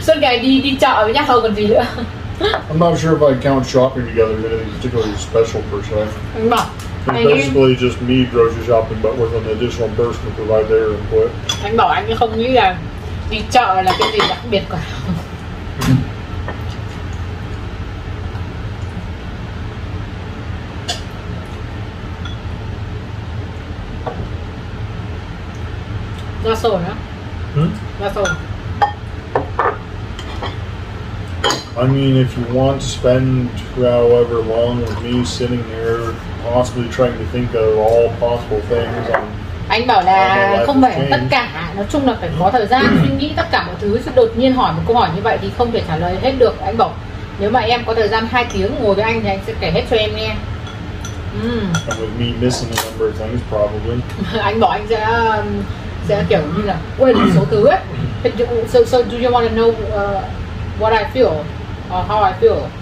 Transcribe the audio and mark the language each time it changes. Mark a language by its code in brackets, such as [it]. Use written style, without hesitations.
[en] So, guys, [vi] đi chợ với nhau còn gì nữa? [en] I'm not sure if I count shopping together as anything particularly special per se. [vi] Anh bảo, [en] it's basically just me grocery shopping, but with an additional person to provide their input. [vi] Anh bảo anh không nghĩ là đi chợ là cái gì đặc biệt cả. [en] That's all, huh? That's all. I mean, if you want to spend however long with me sitting here, possibly trying to think of all possible things, [vi] anh bảo là không phải tất cả, nói chung là phải có thời gian suy nghĩ tất cả mọi thứ. Chứ đột nhiên hỏi một câu hỏi như vậy thì không thể trả lời hết được. Anh bảo nếu mà em có thời gian 2 tiếng ngồi với anh thì anh sẽ kể hết cho em nghe. [en] And with me missing a number of things, probably. [vi] Anh bảo anh sẽ kiểu như là quên một số thứ ấy. [en] So do you want to know what I feel or how I feel?